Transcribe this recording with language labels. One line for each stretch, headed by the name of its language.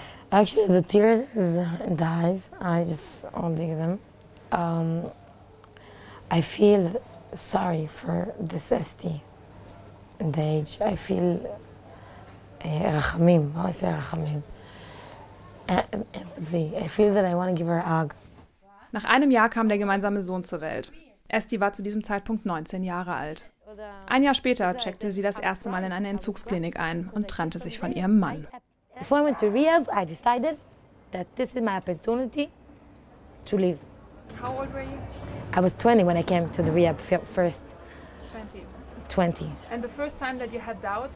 English: Actually, the tears in the eyes, I just holding them. I feel sorry for this Esti in the age. I feel rachamim, how I say rachamim, empathy. I feel that I want to give her a hug.
German: Nach einem Jahr kam der gemeinsame Sohn zur Welt. Esti war zu diesem Zeitpunkt 19 Jahre alt. Ein Jahr später checkte sie das erste Mal in eine Entzugsklinik ein und trennte sich von ihrem Mann.
English: Before I went to rehab, I decided that this is my opportunity to live. How old were you? I was 20 when I came to the rehab first. 20. And the first time that you had doubts?